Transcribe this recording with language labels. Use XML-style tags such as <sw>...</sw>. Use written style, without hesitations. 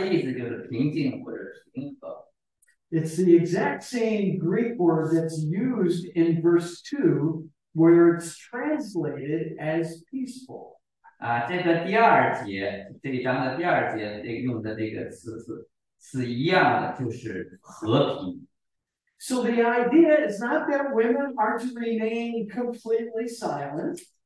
<zh>这里用了保持安静这个11节这个词，它的意思就是平静或者平和。</zh> <en>It's the exact same Greek word that's used in verse 2, where it's translated as peaceful.</en> <zh>这个第二节，这一章的第二节用的这个词是一样的，就是和平。</zh> <en>So the idea is not that women are to remain completely silent.</en>